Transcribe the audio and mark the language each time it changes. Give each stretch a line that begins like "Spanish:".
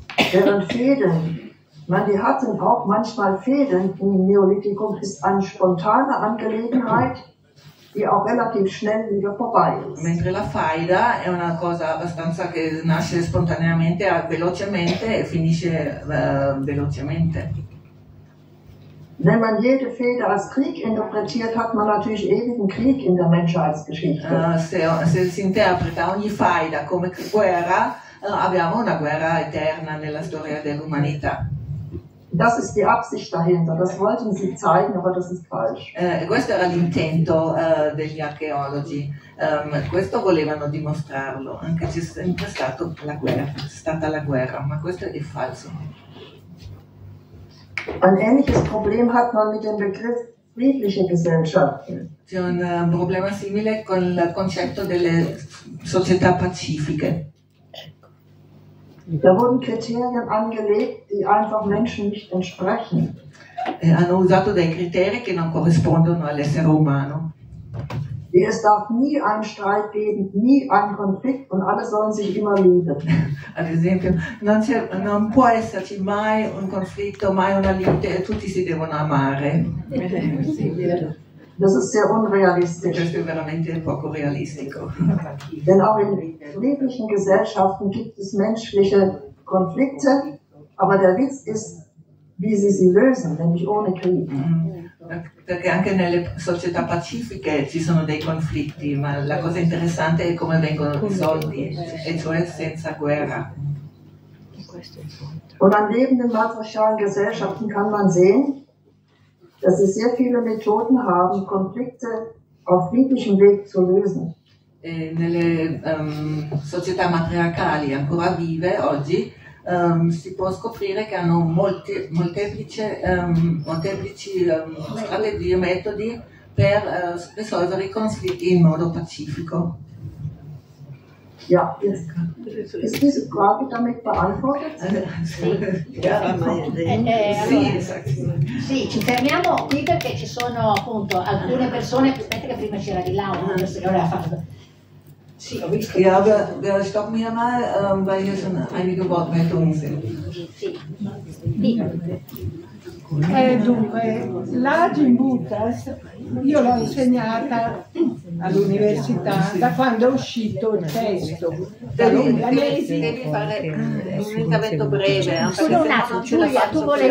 German: Während Fehden, man die hatten auch manchmal Fehden im Neolithikum, ist eine spontane Angelegenheit, die auch relativ schnell wieder vorbei ist.
Italian: Mentre la faida è una cosa abbastanza che nasce spontaneamente, velocemente e finisce velocemente.
German: Wenn man jede Fehde als Krieg interpretiert, hat man natürlich ewigen Krieg in der Menschheitsgeschichte.
Italian: Se si interpreta ogni faida come guerra, abbiamo una guerra eterna nella storia dell'umanità.
German: Das ist die Absicht dahinter, das wollten sie zeigen, aber das ist falsch.
Italian: Questo era l'intento degli archeologi, questo volevano dimostrarlo, anche se è sempre stato la guerra, è stata la guerra, ma questo è falso.
German: Ein ähnliches Problem hat man mit dem Begriff friedliche Gesellschaft.
Italian: C'è un problema simile con il concetto delle società pacifiche.
German: Da wurden Kriterien angelegt, die einfach Menschen nicht entsprechen.
Italian: Hanno usato dei criteri che non corrispondono all'essere umano.
German: Es darf nie einen Streit geben, nie einen Konflikt und alle sollen sich immer lieben.
Italian: Ad esempio, non può esserci mai un conflitto, mai una lite, e tutti si devono amare.
German: Das ist sehr unrealistisch.
Italian: Questo è veramente poco realistico.
German: Denn auch in friedlichen Gesellschaften gibt es menschliche Konflikte, aber der Witz ist, wie sie sie lösen, nämlich ohne Krieg.
Italian: Perché anche nelle società pacifiche ci sono dei conflitti, ma la cosa interessante è come vengono risolti, e cioè senza guerra.
German: Und an lebenden matriarchalen Gesellschaften kann man sehen, dass sie sehr viele Methoden haben, Konflikte auf friedlichem Weg zu lösen.
Italian: E nelle società matriarcali ancora vive oggi si può scoprire che hanno molteplici strategie, metodi per risolvere i conflitti in modo pacifico.
German: Ja, jetzt ist diese Frage damit beantwortet.
Italian: Sì, sì, ci fermiamo qui perché ci sono appunto alcune persone. Aspetta, che prima c'era di là una signora. Sì, ho visto.
German: Ja, wir stoppen hier mal, weil hier schon einige Wortmeldungen sind.
Italian: Dunque, la Gimbutas io l'ho insegnata all'università da quando è uscito il testo. Devi fare un intervento breve. Solo un attimo, Giulia, tu volevi